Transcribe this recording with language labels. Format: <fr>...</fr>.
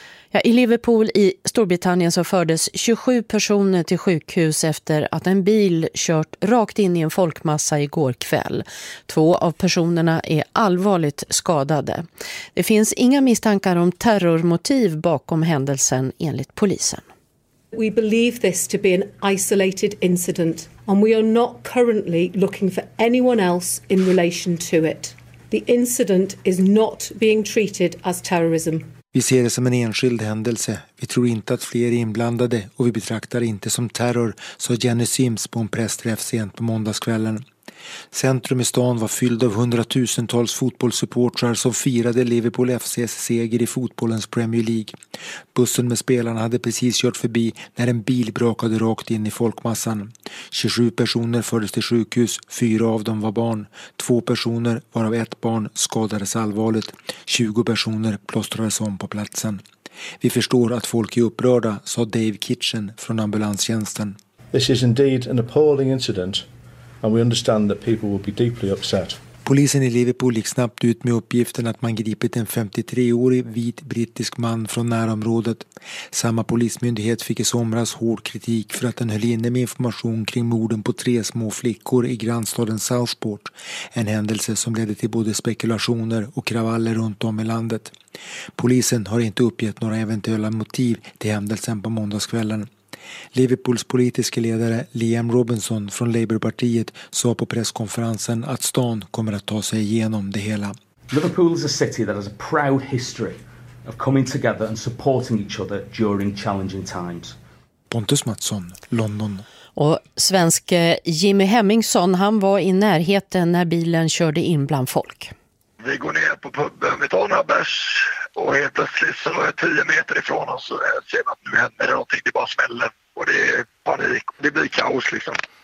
<sv>Ja, i Liverpool i Storbritannien så fördes 27 personer till sjukhus efter att en bil kört rakt in i en folkmassa igår kväll. Två av personerna är allvarligt skadade. Det finns inga misstankar om terrormotiv bakom händelsen enligt polisen.</sv> <en>We believe this to be an isolated incident and we are not currently looking for anyone else in relation to it. The incident is not being treated as terrorism.</en> <sv>Vi ser det som en enskild händelse. Vi tror inte att fler är inblandade och vi betraktar det inte som terror, sa Jenny Sims på en pressträff sent på måndagskvällen. Centrum i stan var fylld av hundratusentals fotbollssupportrar som firade Liverpool FCs seger i fotbollens Premier League. Bussen med spelarna hade precis kört förbi när en bil brakade rakt in i folkmassan. 27 personer fördes till sjukhus, 4 av dem var barn. 2 personer, varav 1 barn, skadades allvarligt. 20 personer plåstrades om på platsen. Vi förstår att folk är upprörda, sa Dave Kitchen från ambulanstjänsten.</sv> <en>This is indeed an appalling incident. And we understand that people will be deeply upset.</en> <sv>Polisen i Liverpool gick snabbt ut med uppgiften att man gripit en 53-årig vit brittisk man från närområdet. Samma polismyndighet fick i somras hård kritik för att den höll inne med information kring morden på 3 små flickor i grannstaden Southport. En händelse som ledde till både spekulationer och kravaller runt om i landet. Polisen har inte uppgett några eventuella motiv till händelsen på måndagskvällen. Liverpools politiska ledare Liam Robinson från Labourpartiet sa på presskonferensen att stan kommer att ta sig igenom det hela.</sv> <en>Liverpool is a city that has a proud history of coming together and supporting each other during challenging times.</en> <sv>Pontus Mattsson, London. Och svensk Jimmy Hemmingsson, han var i närheten när bilen körde in bland folk. Vi går ner på puben, vi tar några bärs. Och helt plötsligt så är 10 meter ifrån oss och ser man att nu händer det någonting. Det bara smäller och det är panik. Det blir kaos liksom.</sv>